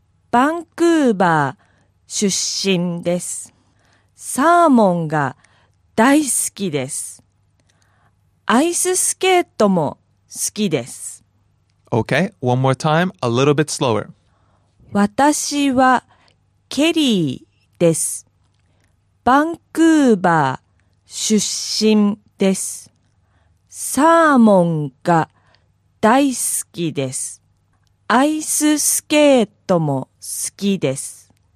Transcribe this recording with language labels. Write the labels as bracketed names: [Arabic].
[Japanese] バンクーバー出身です。サーモンが大好きです。アイススケートも好きです。 [English] Okay, one more time, a little bit slower. [Japanese] 私はケリーです。バンクーバー出身です。サーモンが大好きです。アイススケートも好きです。